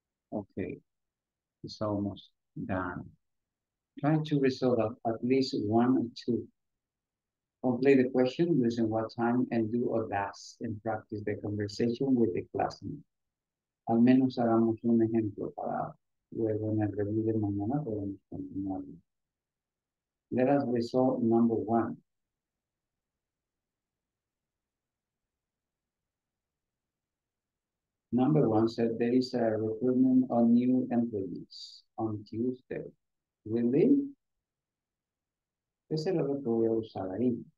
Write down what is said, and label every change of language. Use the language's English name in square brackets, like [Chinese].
[English] Okay, it's almost done. Try to resolve at least one or two. Complete the question, listen what time, and do or does, and practice the conversation with the classmate. [Spanish] Al menos hagamos un ejemplo para luego en el review de mañana podemos continuar. [English] Let us resolve number one. Number one said there is a recruitment of new employees on Tuesday. Really? [Spanish] Ese es lo que voy a usar ahí.